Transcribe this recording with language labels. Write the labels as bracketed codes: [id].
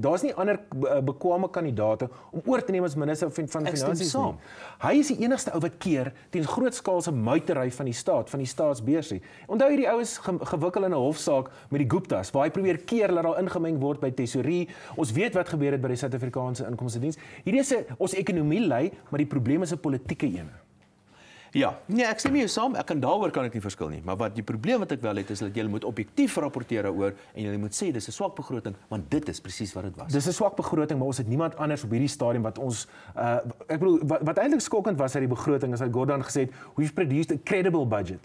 [af] Daar is nie ander bekwame kandidate om oor te neem as minister van finansies nie. Hy is die enigste ou wat keer teen grootskaalse muitery van die staat, van die staatsbeursie. Onthou hierdie ouens gewikkel in 'n hofsaak met die Guptas, waar hy probeer keer dat daar ingemeng word by tesorie. Ons weet wat gebeur het by die Suid-Afrikaanse Inkomste Diens. Hierdie is ons ekonomie lei, maar die probleem is een politieke een. Ja, nee, ek stem mee saam, ek kan daaroor kan ek nie verskil nie, maar wat die probleem wat ek wel het, is dat jy moet objektief rapporteer oor, en jy moet sê, dis 'n swak begroting, want dit is precies wat het was. Dis 'n swak begroting, maar ons het niemand anders op hierdie stadium wat ons, ek bedoel, wat eintlik skokkend was uit die begroting, is dat Gordhan gesê het, [en] we've produced a credible budget.